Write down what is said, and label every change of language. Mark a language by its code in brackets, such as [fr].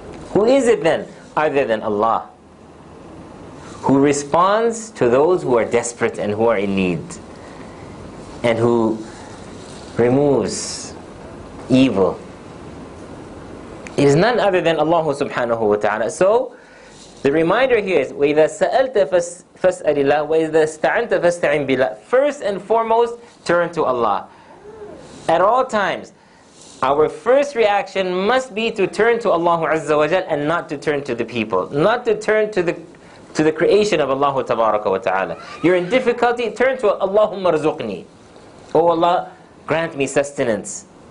[en] Who is it then, other than Allah, who responds to those who are desperate and who are in need, and who removes evil? It is none other than Allah subhanahu wa ta'ala. So, the reminder here is, [ar] وَإِذَا سَأَلْتَ فَاسْأَلِ اللَّهِ وَإِذَا اسْتَعَنْتَ فَاسْتَعِنْ بِاللَّهِ. [en] First and foremost, turn to Allah. At all times, our first reaction must be to turn to Allah Azza wa Jal and not to turn to the people. Not to turn to the creation of Allah Tabaraka wa Ta'ala. You're in difficulty, turn to [ar] Allahumma rizuqni. [en] Oh Allah, grant me sustenance.